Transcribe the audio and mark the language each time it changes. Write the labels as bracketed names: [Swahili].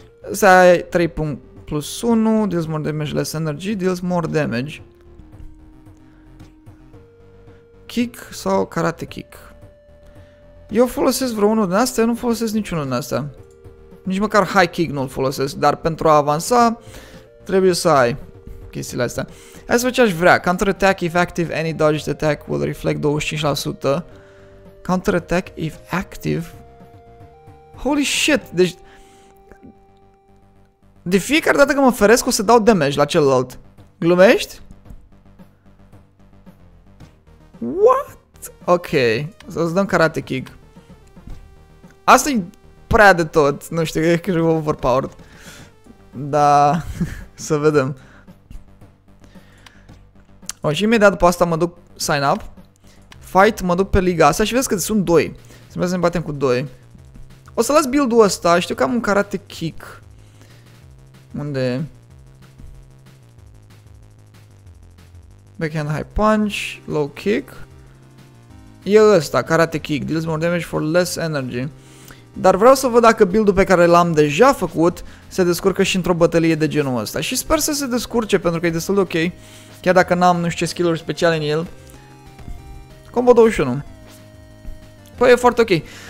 [Romanian] Asta e 3 puncte plus 1, [English] deals more damage, less energy, deals more damage. [Romanian] Kick sau karate kick. Eu folosesc vreo unul din astea, eu nu folosesc niciunul din astea. Nici măcar high kick nu-l folosesc, dar pentru a avansa, trebuie să ai chestiile astea. Hai să văd ce aș vrea. [English] Counter attack if active, any dodged attack will reflect 25%. Counter attack if active? Holy shit, [Romanian] deci de fiecare dată când mă feresc, o să dau damage la celălalt. Glumești? [English] What? [Romanian] Ok, să-ți dăm karate kick. Asta e prea de tot, nu știu, e cred overpowered. Da, să vedem. O, și imediat după asta mă duc sign up. Fight, mă duc pe liga asta și vezi că sunt 2. Trebuie să ne batem cu 2. O să las build-ul ăsta, știu că am un karate kick. Unde e? [English] Backhand high punch, low kick. [Romanian] E ăsta, [English] karate kick, deals more damage for less energy. [Romanian] Dar vreau să văd dacă build-ul pe care l-am deja făcut se descurcă și într-o bătălie de genul ăsta. Și sper să se descurce pentru că e destul de ok. Chiar dacă n-am nu știu ce skill-uri speciale în el. Combo 21. Păi e foarte ok.